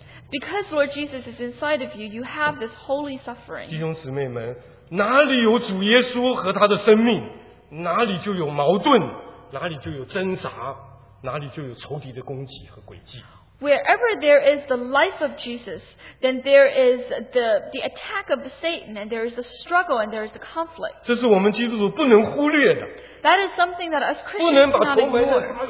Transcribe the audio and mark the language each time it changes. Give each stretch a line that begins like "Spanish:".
English: because Lord Jesus is inside of you, you have this holy suffering.
Chinese: 弟兄姊妹们, 哪里有主耶稣和他的生命, 哪里就有矛盾, 哪里就有挣扎, 哪里就有仇敌的攻击和诡计。
English: Wherever there is the life of Jesus, then there is the attack of Satan, and there is the struggle, and there is the conflict.
Chinese: 这是我们基督徒不能忽略的。
English: That is something that us Christians cannot ignore.